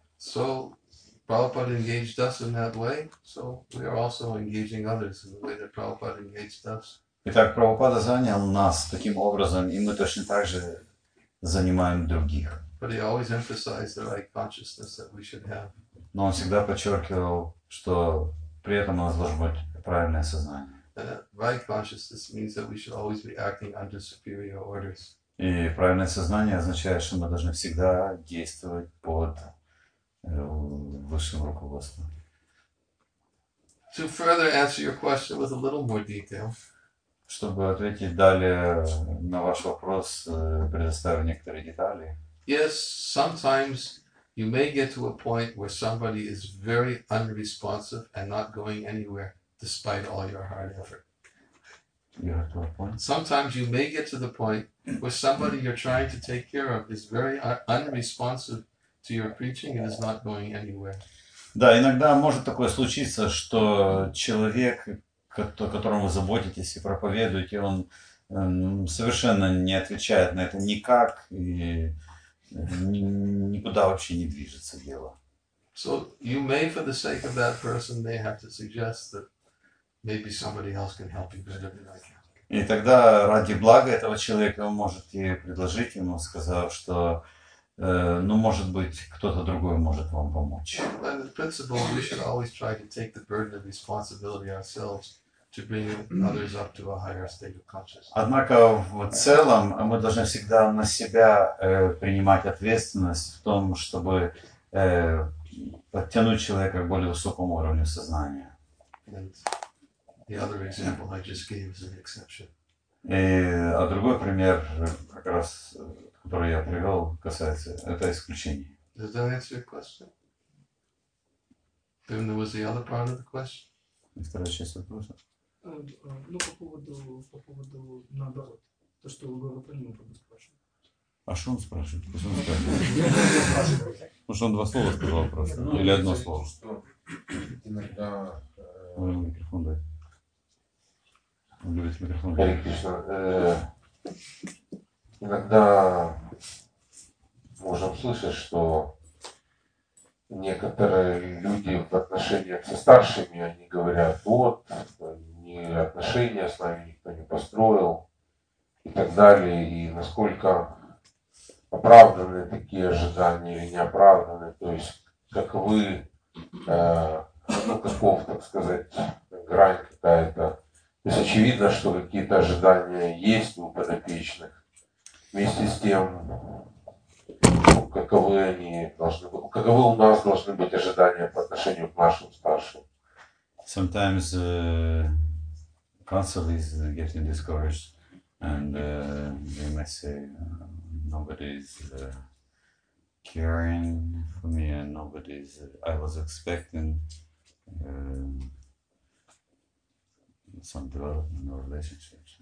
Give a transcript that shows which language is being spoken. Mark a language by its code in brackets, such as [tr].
[en] So Prabhupada engaged us in that way, so we are also engaging others in the way that Prabhupada engaged us. [ru] Итак, Прабхупада занял нас таким образом, и мы точно так же занимаем других. [en] But he always emphasized the right consciousness that we should have. [ru] Но он всегда подчеркивал, что при этом у нас должно быть правильное сознание. [en] Right consciousness means that we should always be acting under superior orders. [ru] И правильное сознание означает, что мы должны всегда действовать под высшим руководством. [en] To further answer your question with a little more detail. [ru] Чтобы ответить далее на ваш вопрос, предоставлю некоторые детали. [en] Yes, sometimes you may get to a point where somebody is very unresponsive and not going anywhere. Despite all your hard effort. You have to a point. Sometimes you may get to the point where somebody you're trying to take care of is very unresponsive to your preaching and is not going anywhere. [ru] Да, иногда может такое случиться, что человек, о котором вы заботитесь и проповедуете, он совершенно не отвечает на это никак и никуда вообще не движется дело. [en] So you may, for the sake of that person, may have to suggest that maybe somebody else can help you better than I can. [ru] И тогда ради блага этого человека вы можете предложить ему, сказав, что, ну, может быть, кто-то другой может вам помочь. [en] And the principle we should always try to take the burden of responsibility ourselves to bring others up to a higher state of consciousness. [ru] Однако в целом мы должны всегда на себя принимать ответственность в том, чтобы подтянуть человека к более высокому уровню сознания. [en] The other example I just gave is an exception. [ru] А другой пример, как раз, который я привел, касается это исключение. [en] Does that answer your question? Then there was the other part of the question. [ru] Вторая часть вопроса. Ну по поводу наоборот, то что вы говорили, мы просто спрашиваем. А что он спрашивает? Потому что он два слова сказал просто. Ну, или одно слово. Что иногда... Можно микрофон дать. Он любит микрофон. Да, Кришна. Иногда можно услышать, что некоторые люди в отношениях со старшими, они говорят, вот, ни отношения с нами никто не построил и так далее. И насколько оправданы такие ожидания или неоправданы, то есть каковы, ну, каков, так сказать, грань какая-то. То есть очевидно, что какие-то ожидания есть у подопечных. Вместе с тем, каковы они должны быть, каковы у нас должны быть ожидания по отношению к нашим старшим. [en] Sometimes counsel is getting discouraged and they might say nobody is caring for me and nobody is I was expecting some development or relationship.